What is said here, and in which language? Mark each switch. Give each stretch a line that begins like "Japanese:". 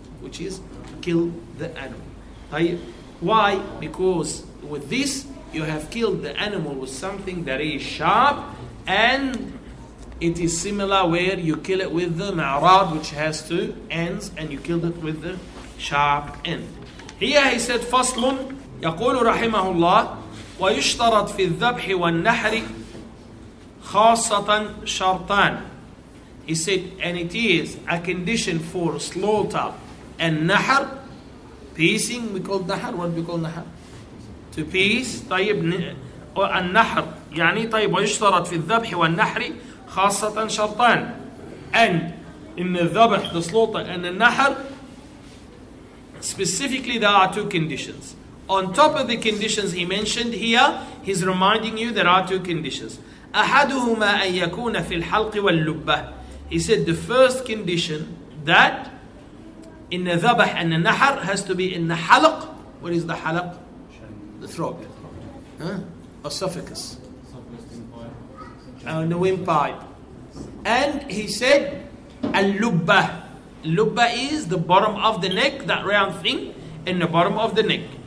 English: Which is kill the animal. Why? Because with this, you have killed the animal with something that is sharp, and it is similar where you kill it with the ma'rad, which has two ends, and you killed it with the sharp end. Here he said,
Arabic: فَصْلٌ يَقُولُ رَحِمَهُ اللَّهِ وَيُشْتَرَطْ فِي الذَّبْحِ وَالنَّحْرِ خَاصَّةً شَرْطَانِ.
English: He said, and it is a condition for slaughter and nahr, piecing, we call nahr, what we call nahr? To piece,
Arabic: طيب, النحر, يعني طيب, ويشترط في الذبح والنحر خاصة شرطان.
English: And in the ذبح, the slaughter, and the نحر, specifically there are two conditions. On top of the conditions he mentioned here, he's reminding you there are two conditions.
Arabic: أحدهما أن يكون في الحلق واللبة.
English: He said the first condition that in the ذبح and the نحر has to be in the حلق. What is the حلق? The throat. Huh? a suffix. And the windpipe. And he said, al-lubba. Lubba is the bottom of the neck, that round thing in the bottom of the neck.